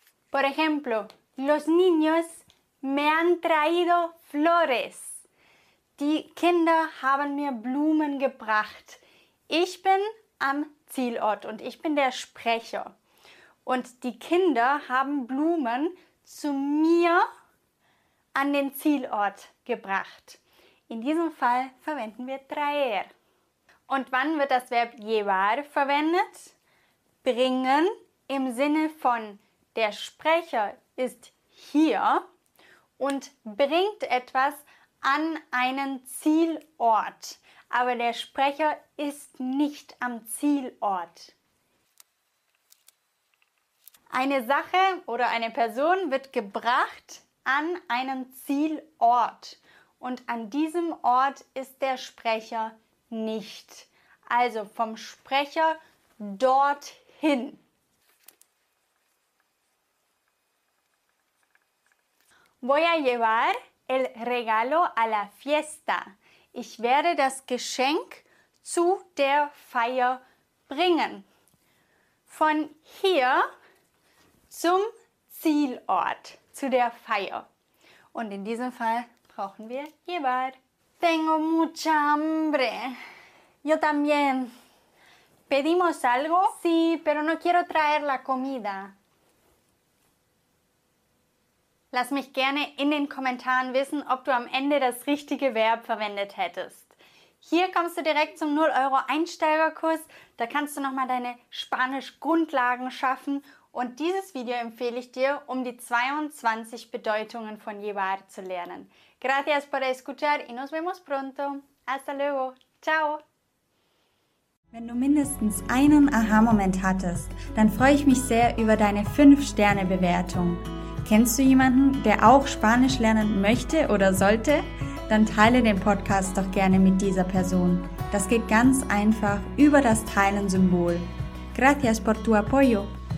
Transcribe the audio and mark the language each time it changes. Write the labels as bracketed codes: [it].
[es] Por ejemplo, los niños me han traído flores. [de] Die Kinder haben mir Blumen gebracht. Ich bin am Zielort und ich bin der Sprecher. Und die Kinder haben Blumen zu mir an den Zielort gebracht. In diesem Fall verwenden wir traer. Und wann wird das Verb llevar verwendet? Bringen im Sinne von der Sprecher ist hier und bringt etwas an einen Zielort. Aber der Sprecher ist nicht am Zielort. Eine Sache oder eine Person wird gebracht an einen Zielort. Und an diesem Ort ist der Sprecher nicht. Also vom Sprecher dorthin. [es] Voy a llevar el regalo a la fiesta. [de] Ich werde das Geschenk zu der Feier bringen. Von hier zum Zielort, zu der Feier. Und in diesem Fall brauchen wir llevar. [es] Tengo mucha hambre. Yo también. ¿Pedimos algo? Sí, pero no quiero traer la comida. [de] Lass mich gerne in den Kommentaren wissen, ob du am Ende das richtige Verb verwendet hättest. Hier kommst du direkt zum 0-Euro-Einsteigerkurs. Da kannst du nochmal deine Spanisch-Grundlagen schaffen. Und dieses Video empfehle ich dir, um die 22 Bedeutungen von llevar zu lernen. [es] Gracias por escuchar y nos vemos pronto. Hasta luego. Ciao. [de] Wenn du mindestens einen Aha-Moment hattest, dann freue ich mich sehr über deine 5-Sterne-Bewertung. Kennst du jemanden, der auch Spanisch lernen möchte oder sollte? Dann teile den Podcast doch gerne mit dieser Person. Das geht ganz einfach über das Teilen-Symbol. [es] Gracias por tu apoyo.